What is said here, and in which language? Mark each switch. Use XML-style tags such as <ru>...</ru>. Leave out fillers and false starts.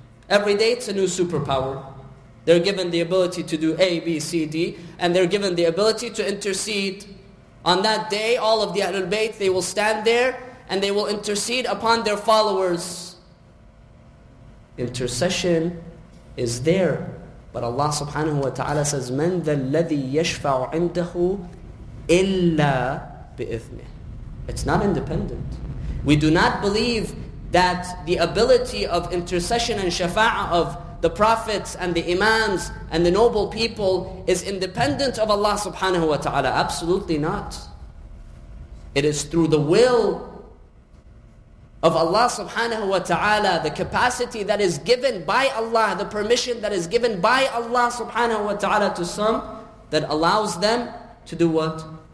<en>Every day it's a new superpower. They're given the ability to do A, B, C, D, and they're given the ability to intercede. On that day, all of the Ahlul Bayt, they will stand there and they will intercede upon their followers. Intercession is there. But Allah subhanahu wa ta'ala says,</en> <ar>مَنْ ذَا الَّذِي يَشْفَعُ عِنْدَهُ إِلَّا بِإِذْنِهِ.</ar> <en>It's not independent. We do not believe that the ability of intercession and shafa'ah of the prophets and the imams and the noble people is independent of Allah subhanahu wa ta'ala. Absolutely not. It is through the will of Allah subhanahu wa ta'ala, the capacity that is given by Allah, the permission that is given by Allah subhanahu wa ta'ala to some, that allows them to do what?</en>